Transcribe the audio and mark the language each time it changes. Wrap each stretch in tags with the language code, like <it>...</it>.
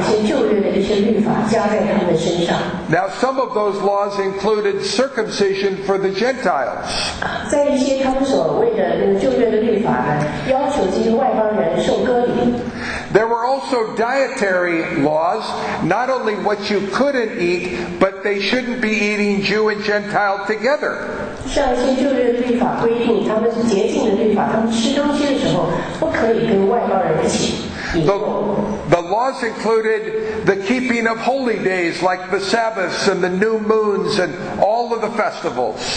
<zh>保罗是非常担心，因为就怕这些信徒不会坚持因信称义这个主要的信条，而把一些旧约的一些律法加在他们的身上。</zh> <en>Now some of those laws included circumcision for the Gentiles.</en> <zh>在一些他们所谓的那个旧约的律法呢，要求这些外邦人受割礼。</zh> <en>There were also dietary laws, not only what you couldn't eat, but they shouldn't be eating Jew and Gentile together.</en> <zh>像一些旧约的律法规定，他们是洁净的律法，他们吃东西的时候不可以跟外邦人一起。</zh> <en>The laws included the keeping of holy days like the Sabbaths and the new moons and all of the festivals.</en>